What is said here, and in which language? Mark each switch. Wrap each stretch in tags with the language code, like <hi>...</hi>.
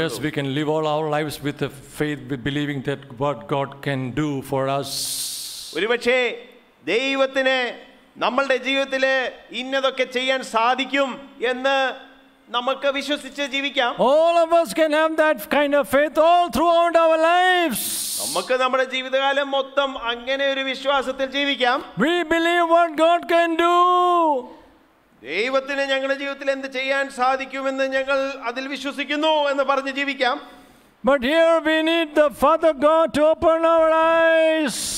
<en>Yes, we can live all our lives with the faith believing that what God can do for us.</en> <ml>Oru pakshe devathine nammalde jeevithile innadokke cheyan sadhikkum ennu നമുക്ക് വിശ്വസിച്ച് ജീവിക്കാം.</ml> <en>All of us can have that kind of faith all throughout our lives.</en> <ml>നമുക്ക് നമ്മുടെ ജീവിതകാലം മൊത്തം അങ്ങനെ ഒരു വിശ്വാസത്തിൽ ജീവിക്കാം.</ml> <en>We believe what God can do.</en> <ml>ദൈവത്തിന് ഞങ്ങളുടെ ജീവിതത്തിൽ എന്ത് ചെയ്യാൻ സാധിക്കുമെന്ന് ഞങ്ങൾ അതിൽ വിശ്വസിക്കുന്നു എന്ന് പറഞ്ഞ് ജീവിക്കാം.</ml> <en>But here we need the Father God to open our eyes.</en>